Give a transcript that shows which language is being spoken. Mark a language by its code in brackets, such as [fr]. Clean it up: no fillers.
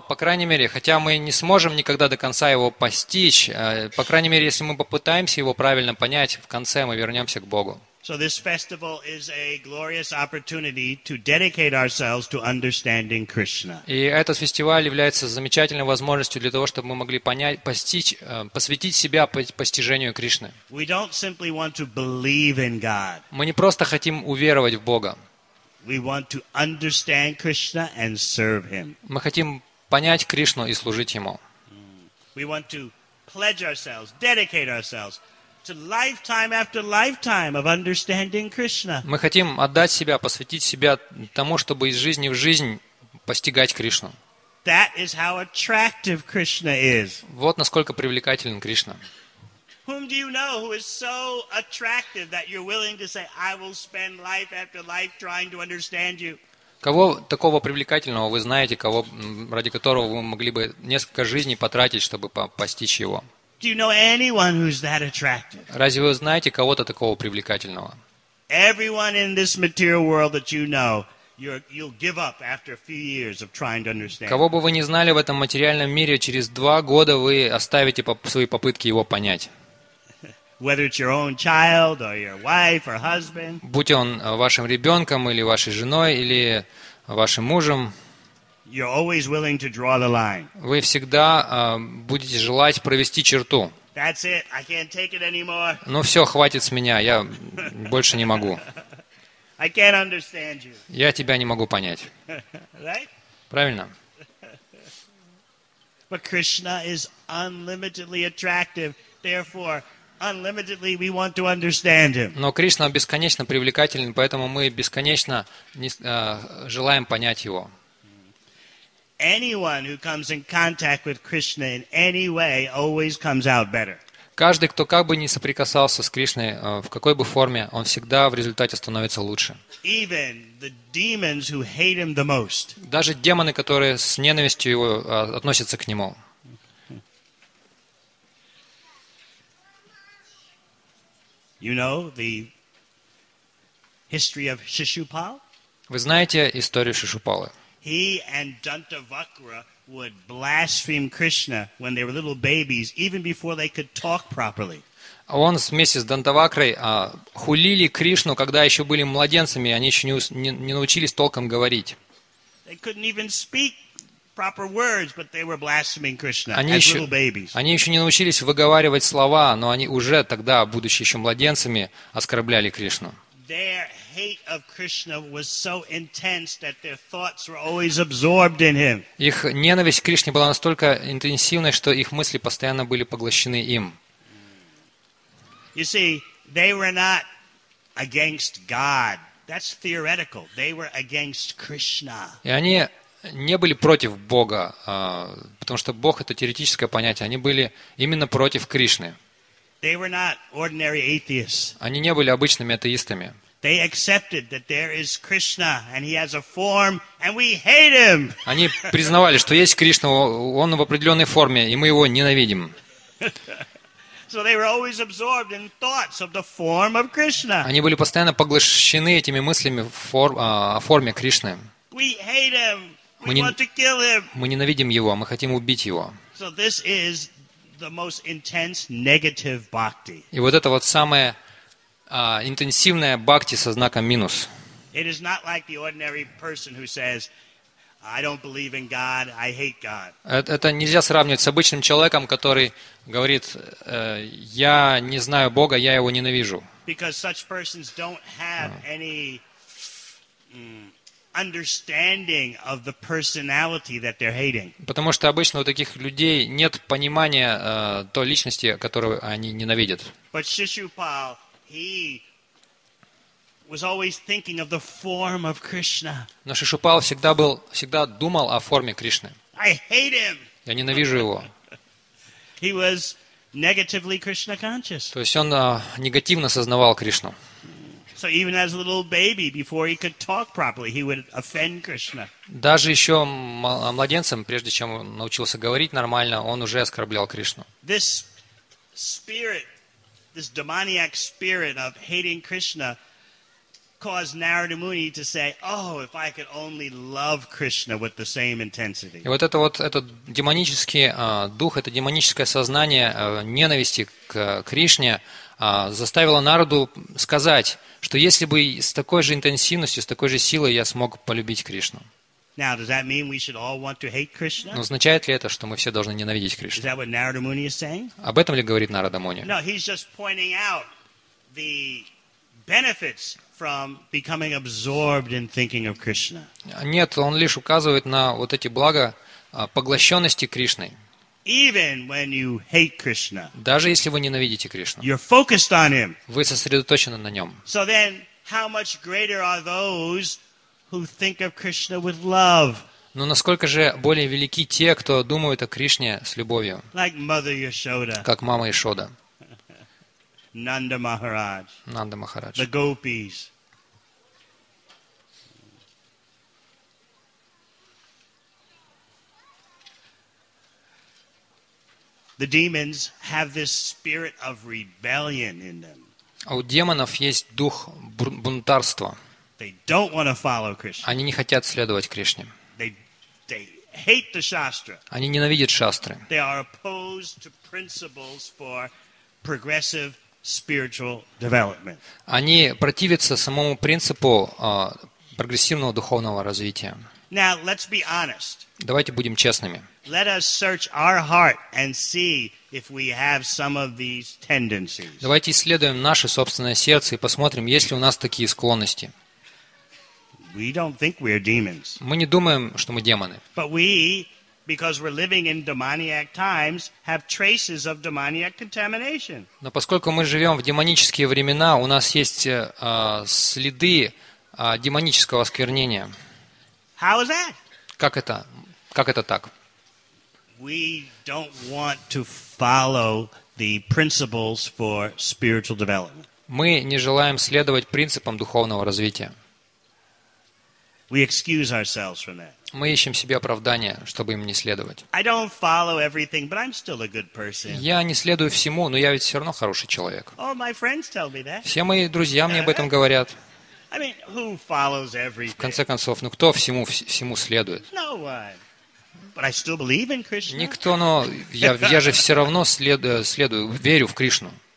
[ru] по крайней мере, хотя мы не сможем никогда до конца его постичь, по крайней мере, если мы попытаемся его правильно понять, в конце мы вернемся к Богу. [en] So this festival is a glorious opportunity to dedicate ourselves to understanding Krishna. [ru] И этот фестиваль является замечательной возможностью для того, чтобы мы могли понять, посвятить себя постижению Кришны. [en] We don't simply want to believe in God. [ru] Мы не просто хотим уверовать в Бога. [en] We want to understand Krishna and serve him. [ru] Мы хотим понять Кришну и служить ему. [en] We want to pledge ourselves, dedicate ourselves to lifetime after lifetime of understanding Krishna. [ru] Мы хотим отдать себя, посвятить себя тому, чтобы из жизни в жизнь постигать Кришну. [en] That is how attractive Krishna is. [ru] Вот насколько привлекателен Кришна. [en] Whom do you know who is so attractive that you're willing to say, I will spend life after life trying to understand you? [ru] Кого такого привлекательного вы знаете, кого ради которого вы могли бы несколько жизней потратить, чтобы постичь его? [en] Do you know anyone who's that attractive? [ru] Разве вы знаете кого-то такого привлекательного? [en] Everyone in this material world that you know, you'll give up after a few years of trying to understand. [ru] Кого бы вы ни знали в этом материальном мире, через 2 года вы оставите свои попытки его понять. [en] Whether it's your own child or your wife or husband. [ru] Будь он вашим ребенком или вашей женой или вашим мужем. [en] You're always willing to draw the line. [ru] Вы всегда будете желать провести черту. [en] That's it. I can't take it anymore. [ru] Ну все, хватит с меня, я больше не могу. [en] I can't understand you. [ru] Я тебя не могу понять. [en] Right? [ru] Правильно? [en] But Krishna is unlimitedly attractive. Therefore, unlimitedly we want to understand him. [ru] Но Кришна бесконечно привлекателен, поэтому мы бесконечно желаем понять его. [en] Anyone who comes in contact with Krishna in any way always comes out better. [ru] Каждый, кто как бы ни соприкасался с Кришной в какой бы форме, он всегда в результате становится лучше. [en] Even the demons who hate him the most. [ru] Даже демоны, которые с ненавистью его относятся к нему. [en] You know the history of Shishupal? [ru] Вы знаете историю Шишупалы? [en] He and Dantavakra would blaspheme Krishna when they were little babies, even before they could talk properly. [ru] Он вместе с Дантавакрой хулили Кришну, когда еще были младенцами, они еще не научились толком говорить. [en] They couldn't even speak proper words, but they were blaspheming Krishna as little babies. [ru] Они еще не научились выговаривать слова, но они уже тогда, будучи еще младенцами, оскорбляли Кришну. [en] Their hate of Krishna was so intense that their thoughts were always absorbed in him. [ru] Их ненависть к Кришне была настолько интенсивной, что их мысли постоянно были поглощены им. [en] You see, they were not against God. That's theoretical. They were against Krishna. [ru] И они не были против Бога, потому что Бог это теоретическое понятие. Они были именно против Кришны. [en] They were not ordinary atheists. [ru] Они не были обычными атеистами. [en] They accepted that there is Krishna and he has a form and we hate him. [ru] Они признавали, что есть Кришна, он в определенной форме, и мы его ненавидим. [en] So they were always absorbed in thoughts of the form of Krishna. [ru] Они были постоянно поглощены этими мыслями о форме Кришны. [en] We hate him. We want to kill him. [ru] Мы ненавидим его, мы хотим убить его. [en] So this is the most intense negative bhakti. [ru] И вот это вот самое интенсивная бхакти со знаком минус. [en] It is not like the ordinary person who says, I don't believe in God, I hate God. [ru] Это нельзя сравнивать с обычным человеком, который говорит, я не знаю Бога, я его ненавижу. [en] Because such persons don't have any understanding of the personality that they're hating. [ru] Потому что обычно у таких людей нет понимания той личности, которую они ненавидят. [en] But Shishupal, he was always thinking of the form of Krishna. [ru] Но Шишупал всегда думал о форме Кришны. [en] I hate him. [ru] Я ненавижу его. [en] He was negatively Krishna conscious. [ru] То есть он негативно сознавал Кришну. [en] So even as a little baby, before he could talk properly, he would offend Krishna. [ru] Даже еще младенцем, прежде чем он научился говорить нормально, он уже оскорблял Кришну. [en] This spirit, this demoniac spirit of hating Krishna caused Narada Muni to say, "Oh, if I could only love Krishna with the same intensity." [ru] И вот этот демонический дух, это демоническое сознание ненависти к Кришне заставило Нараду сказать, что если бы с такой же интенсивностью, с такой же силой я смог полюбить Кришну. [en] Now, does that mean we should all want to hate Krishna? [ru] Но означает ли это, что мы все должны ненавидеть Кришну? [en] Is that what Narada Muni is saying? [ru] Об этом ли говорит Нарада Муни? [en] No, he's just pointing out the benefits from becoming absorbed in thinking of Krishna. [ru] Нет, он лишь указывает на вот эти блага поглощенности Кришной. [en] Even when you hate Krishna. [ru] Даже если вы ненавидите Кришну. [en] You're focused on him. [ru] Вы сосредоточены на нем. [en] So then how much greater are those who think of Krishna with love? [ru] Но насколько же более велики те, кто думают о Кришне с любовью? [en] Like Mother Yashoda. [ru] Как мама Яшода. [en] Nanda Maharaj. [ru] Нанда Махарадж. [en] The gopis. The demons have this spirit of rebellion in them. [ru] У демонов есть дух бунтарства. [en] They don't want to follow Krishna. [ru] Они не хотят следовать Кришне. [en] They hate the shastra. [ru] Они ненавидят шастры. [en] They are opposed to principles for progressive spiritual development. [ru] Они противятся самому принципу прогрессивного духовного развития. [en] Now let's be honest. [ru] Давайте будем честными. [en] Let us search our heart and see if we have some of these tendencies. [ru] Давайте исследуем наше собственное сердце и посмотрим, есть ли у нас такие склонности. [en] We don't think we are demons. [ru] Мы не думаем, что мы демоны. [en] But we, because we're living in demoniac times, have traces of demoniac contamination. [ru] Но поскольку мы живем в демонические времена, у нас есть следы демонического осквернения. [en] How is that? [ru] Как это так? [en] We don't want to follow the principles for spiritual development. [ru] Мы не желаем следовать принципам духовного развития. [en] We excuse ourselves from that. [ru] Мы ищем себе оправдания, чтобы им не следовать. [en] I don't follow everything, but I'm still a good person. [ru] Я не следую всему, но я ведь все равно хороший человек. [en] All my friends tell me that. [ru] Все мои друзья мне об этом говорят. [en] I mean, who follows everything? [ru] В конце концов, ну кто всему следует? [en] No one. But I still believe in Krishna. [ru] Никто, но я же все равно следую, верю в Кришну.